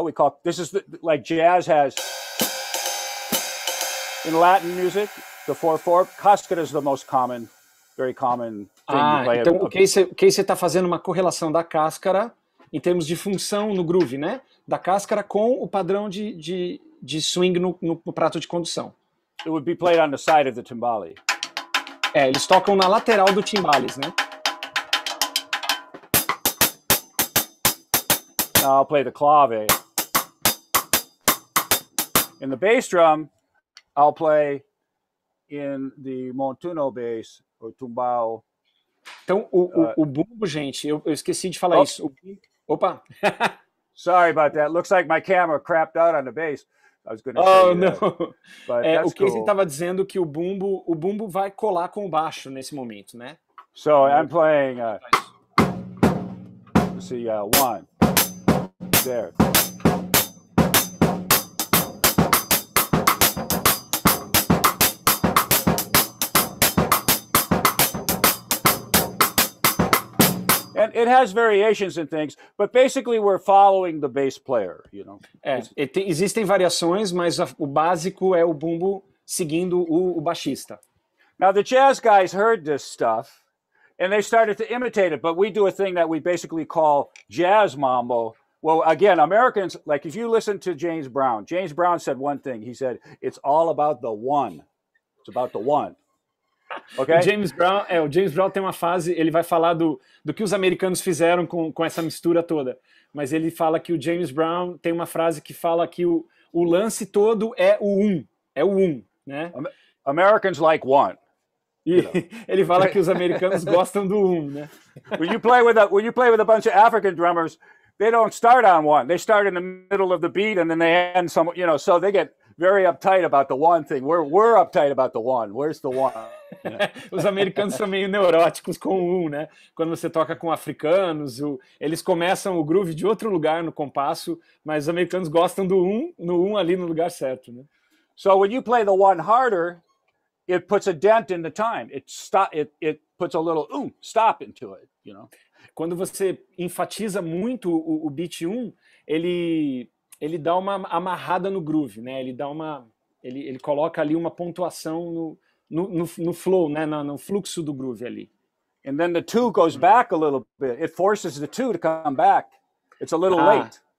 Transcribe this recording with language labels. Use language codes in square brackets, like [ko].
[en] We call this is the, like jazz has in Latin music the 4/4. Cascara is the most common, very common thing. [pt] Ah, play então o que você está fazendo uma correlação da cascara em termos de função no groove, né? Da cascara com o padrão de swing no prato de condução. [en] It would be played on the side of the timbale. [pt] Eles tocam na lateral do timbales, né? [en] Now I'll play the clave. In the bass drum, I'll play in the montuno bass, or tumbao. [pt] Então, o bumbo, gente, eu esqueci de falar isso. Opa! [en] Sorry about that. Looks like my camera crapped out on the bass. I was going to say that. But that's cool. [pt] O Casey estava dizendo que o bumbo vai colar com o baixo nesse momento, né? [en] So I'm playing, let's see, one. There. And it has variations and things, but basically we're following the bass player, you know. [pt] Existem variações, mas o básico é o bumbo seguindo o baixista. [en] Now the jazz guys heard this stuff and they started to imitate it, but we do a thing that we basically call jazz mambo. Well, again, Americans, like if you listen to James Brown said one thing. He said, it's all about the one. It's about the one. Okay? [pt] O James Brown tem uma fase, ele vai falar do que os americanos fizeram com essa mistura toda. Mas ele fala que o James Brown tem uma frase que fala que o lance todo é o um, né? [en] Americans like one. [pt] Ele fala que os americanos gostam do um, né? [en] When you play with a bunch of African drummers, they don't start on one. They start in the middle of the beat and then they end somewhere, you know, so they get very uptight about the one thing. We're uptight about the one. Where's the one? [pt] Os americanos são meio neuróticos com o um, né? Quando você toca com africanos, eles começam o groove de outro lugar no compasso, mas os americanos gostam do um, no um ali no lugar certo, né? [en] So when you play the one harder, it puts a dent in the time. It puts a little stop into it, you know? [pt] Quando você enfatiza muito o beat 1, ele dá uma amarrada no groove, né? Ele coloca ali uma pontuação no, no flow, né? No fluxo do groove ali. [en] And then the two goes back a little bit. It forces the two to come back. It's a little late.